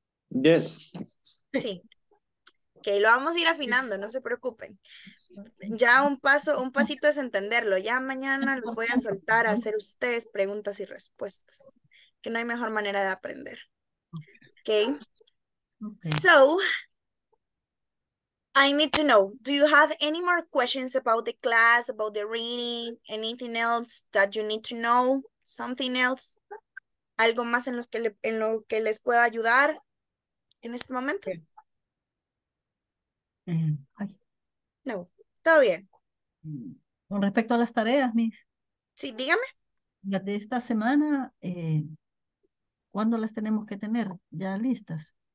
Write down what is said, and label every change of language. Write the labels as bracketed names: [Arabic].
[English] Yes. [Spanish] Sí. Ok, lo vamos a ir afinando, no se preocupen. Ya un pasito es entenderlo. Ya mañana los voy a soltar a hacer ustedes preguntas y respuestas. Que no hay mejor manera de aprender. Ok. [English] So, I need to know, do you have any more questions about the class, about the reading, anything else that you need to know, something else? [Spanish] ¿Algo más en los que le, en lo que les pueda ayudar en este momento? No, todo bien. Con respecto a las tareas, mis, Sí, dígame. las de esta semana, ¿cuándo las tenemos que tener ya listas?